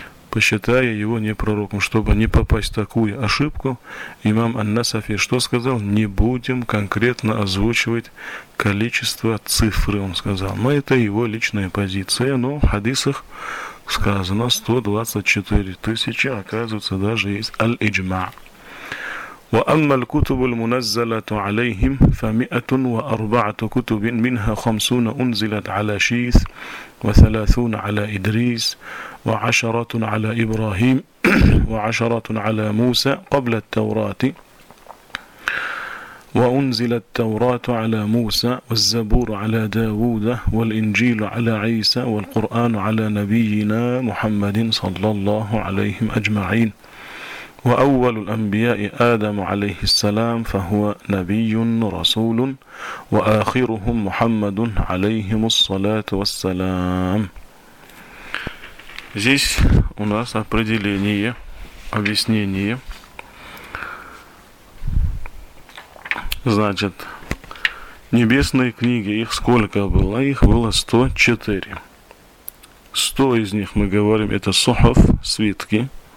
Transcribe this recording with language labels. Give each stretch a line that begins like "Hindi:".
Russian: посчитая его не пророком, чтобы не попасть в такую ошибку. Имам ан-Насафи что сказал? Не будем конкретно озвучивать количество цифры, он сказал. Но это его личная позиция, но в хадисах сказано 124 тысячи, оказывается, даже есть аль-иджма.
Arabic: وأما الكتب المنزلة عليهم فمئة وأربعة كتب منها خمسون أنزلت على شيث وثلاثون على إدريس وعشرة على إبراهيم وعشرة على موسى قبل التوراة وأنزل التوراة على موسى والزبور على داود والإنجيل على عيسى والقرآن على نبينا محمد صلى الله عليه أجمعين وأول الأنبياء آدم عليه السلام فهو نبي رسول وآخرهم محمد عليهم الصلاة والسلام.
Russian: Здесь у нас определение, объяснение. Значит, небесные книги, их сколько было? Их было 104. 100 из них, мы говорим, это сухов, свитки.